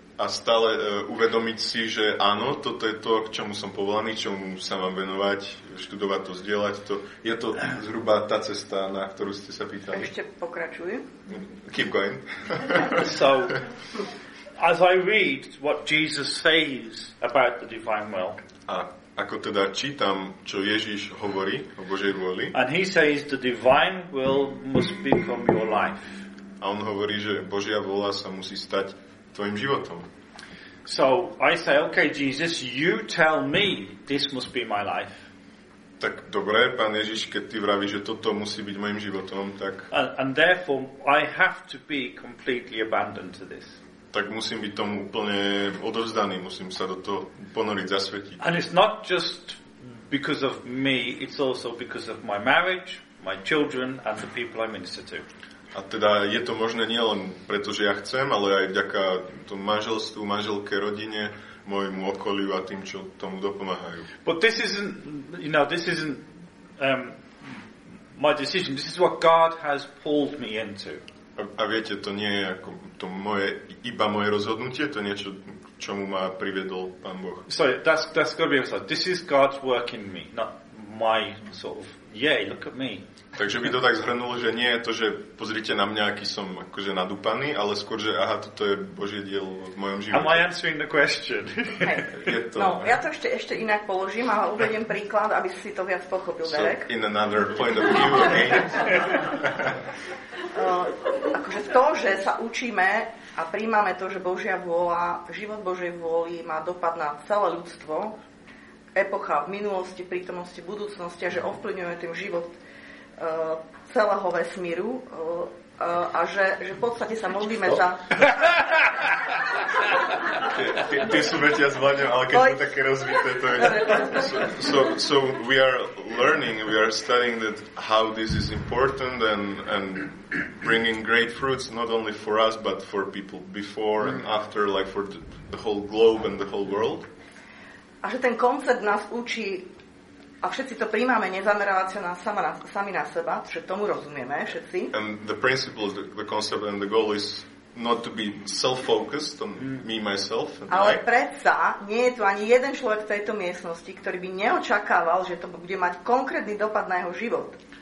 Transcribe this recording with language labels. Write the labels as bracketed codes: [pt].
[sk] a stále uvedomiť si, že áno, toto je to, k čomu som povolaný, čomu sa mám venovať, študovať to, zdieľať to. Je to zhruba tá cesta, na ktorú ste sa pýtali. Ešte pokračuj. [en] Keep going. So, as I read what Jesus says about the divine will. [sk] A ako teda čítam, čo Ježiš hovorí o Božej vôli. [en] And he says the divine will must become your life. [sk] A on hovorí, že Božia vôľa sa musí stať tvojim životom. [en] So I say, okay, Jesus, you tell me this must be my life. [sk] Tak dobre, pán Ježiš, keď ty vravíš, že toto musí byť mojim životom, tak... [en] And therefore I have to be completely abandoned to this. [sk] Tak musím byť tomu úplne odovzdaný, musím sa do toho ponoriť, zasvetiť. [en] And it's not just because of me, it's also because of my marriage, my children and the people I minister to. [sk] A teda je to možné nielen preto, že ja chcem, ale aj vďaka tomu manželstvu, manželke, rodine, môjmu okoliu a tým, čo tomu dopomáhajú. [en] But this isn't, you know, this isn't my decision. This is what God has pulled me into. [sk] A viete, to nie je ako to moje, iba moje rozhodnutie, to niečo, čomu ma priviedol Pán Boh. [en] So that's got to be emphasized. This is God's work in me, not my sort of, yay, look at me. [sk] Takže by to tak zhrnul, že nie je to, že pozrite na mňa, aký som akože nadúpaný, ale skôr, že aha, toto je Božie dielo v mojom živote. [en] Am I answering the question? [sk] No, ja to ešte inak položím a uvediem príklad, aby si to viac pochopil, Derek. [en] So, in another point of view, okay? [sk] Akože to, že sa učíme a príjmame to, že Božia vôľa, život Božej vôli má dopad na celé ľudstvo, epocha v minulosti, prítomnosti, budúcnosti a že ovplyvňuje tým život celého vesmíru a že v podstate sa modlíme za... Ty sú veď ja zvládnem, ale keď sme také rozvité, to je... [en] So we are learning, we are studying that how this is important and bringing great fruits, not only for us, but for people before and after, like for the whole globe and the whole world. [sk] A že ten koncept nás učí... A všetci to príjmame, nezamerávať sa sami na seba, že tomu rozumieme všetci. [en] And the principle, the concept and the goal is not to be self-focused on me, myself. And [sk] ale predsa nie je tu ani jeden človek v tejto miestnosti, ktorý by neočakával, že to bude mať konkrétny dopad na jeho život.